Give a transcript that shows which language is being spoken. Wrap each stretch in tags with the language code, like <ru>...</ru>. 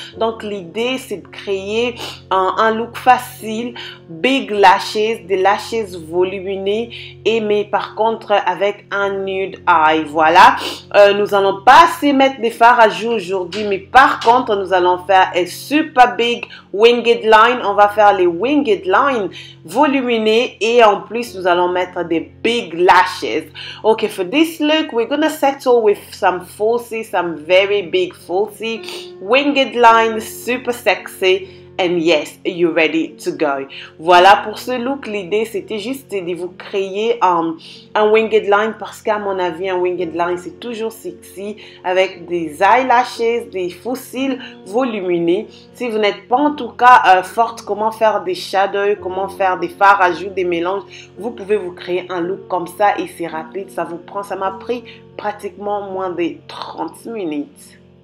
<fr>Donc, l'idée, c'est de créer un look facile,</fr> <en>big lashes,</en> <fr>des lashes volumineux, et mais par contre, avec un</fr> <en>nude eye.</en> <fr>Voilà. Nous allons pas assez mettre des fards à jour aujourd'hui, mais par contre, nous allons faire un</fr> <en>super big winged line.</en> <fr>On va faire les</fr> <en>winged lines</en> <fr>volumineux, et en plus, nous allons mettre des</fr> <en>big lashes. Ok, for this look, we're gonna settle with some falsies, some very big falsies, winged line, super sexy, and yes, you're ready to go.</en> <fr>Voilà, pour ce look, l'idée, c'était juste de vous créer un</fr> <en>winged line,</en> <fr>parce qu'à mon avis, un winged line, c'est toujours sexy, avec des eyelashes, des fossiles volumineux. Si vous n'êtes pas, en tout cas, forte, comment faire des shadows, comment faire des fards, ajouts, des mélanges, vous pouvez vous créer un look comme ça, et c'est rapide, ça vous prend, ça m'a pris pratiquement moins de 30 minutes.</fr>